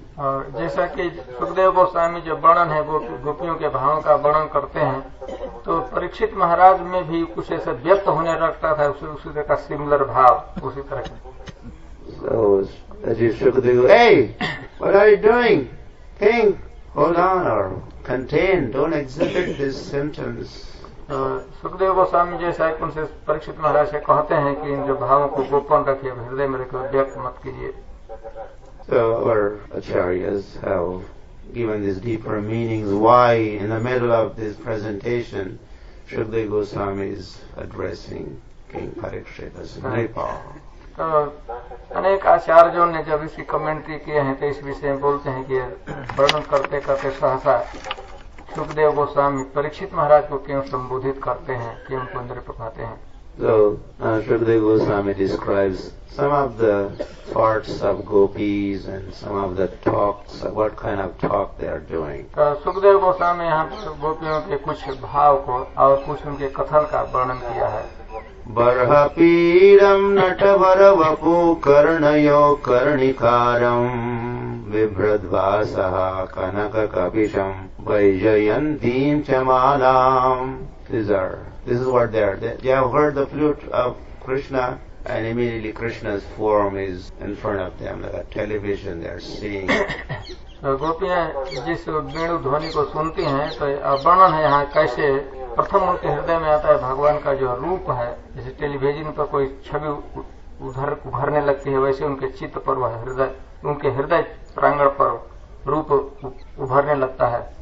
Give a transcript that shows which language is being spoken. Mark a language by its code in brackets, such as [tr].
[hi] और जैसा कि सुखदेव गोस्वामी जो वर्णन है वो गोपियों के भावों का वर्णन करते हैं, तो परीक्षित महाराज में भी कुछ ऐसा व्यक्त होने लगता था उसी तरह का सिमिलर भाव उसी तरह का. [en] So, Shukadeva, hey, what are you doing? Think, hold on, or contain, don't exhibit these symptoms. [hi] Sukhdev Goswami जैसा एक उनसे परीक्षित महाराज से कहते हैं कि इन जो भावों को गोपन रखिए, हृदय में रखिए, व्यक्त मत कीजिए. [en] So, our acharyas have given these deeper meanings why in the middle of this presentation Shukadeva Goswami is addressing King Parikshit as Nripa. [hi] तो अनेक आचार्यों ने जब इसकी कमेंट्री किए हैं तो इस विषय में बोलते हैं कि वर्णन करते करते सहसा सुखदेव गोस्वामी परीक्षित महाराज को क्यों संबोधित करते हैं, क्यों उनको नृप कहते हैं. [en] So, Shukadeva Goswami describes some of the thoughts of gopis and some of the talks, what kind of talk they are doing. [hi] Shukadeva Goswami यहाँ गोपियों के कुछ भाव को और कुछ उनके कथन का वर्णन किया है. [sa] बरहपीडम नटवर वपु कर्णयो कर्णिकारम विभ्रद्वासः कनक कपिशम वैजयन्तीं च मालाम. [en] This is what they are. They have heard the flute of Krishna, and immediately Krishna's form is in front of them, like a television they are seeing. [hi] गोपियां जिस वेणु ध्वनि को सुनती हैं तो वर्णन है यहाँ कैसे प्रथम उनके हृदय में आता है भगवान का जो रूप है, जैसे टेलीविजन पर कोई छवि उभरने लगती है वैसे उनके चित्त पर वह हृदय, उनके हृदय प्रांगण पर रूप उभरने लगता है.